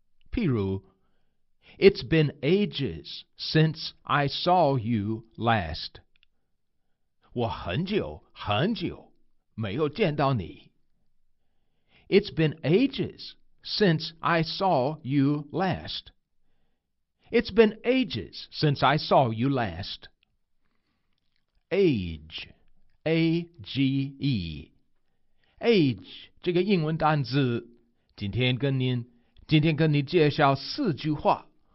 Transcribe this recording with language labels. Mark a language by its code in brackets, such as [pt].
[zh] 譬如 [en] It's been ages since I saw you last. [zh] 我很久很久没有见到你。 [en] It's been ages since I saw you last. It's been ages since I saw you last. Age, A-G-E. [zh] Age 这个英文单字，今天跟你介绍四句话。